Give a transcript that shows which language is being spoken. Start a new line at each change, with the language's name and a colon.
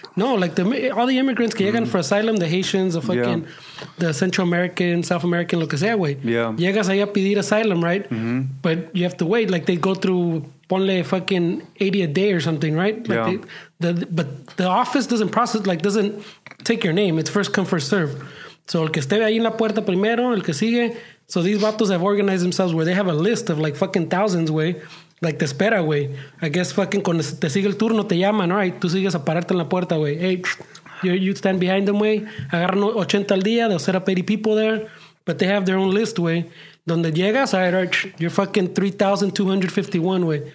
English: No, like all the immigrants
Spanish: que llegan
English: for asylum, the Haitians, the fucking, the Central American, South American,
Spanish: lo que sea,
English: way. Yeah.
Spanish: Llegas ahí a pedir
English: asylum, right? But you have to wait. Like they go through,
Spanish: ponle
English: fucking 80 a day or something, right? Like but the office doesn't process, like doesn't take your name. It's first come, first serve.
Spanish: So el que esté ahí en la puerta primero, el que sigue.
English: So these vatos have organized themselves where they have a list of like fucking thousands, güey. Like
Spanish: te espera,
English: güey. I guess fucking
Spanish: cuando te sigue el turno te llaman,
English: all right?
Spanish: Tú sigues a pararte en la puerta, güey.
English: Hey, you stand behind them, güey.
Spanish: Agarran 80 al día,
English: they'll set up 80 people there. But they have their own list, güey.
Spanish: Donde llegas,
English: all right, Arch, you're fucking 3,251, way.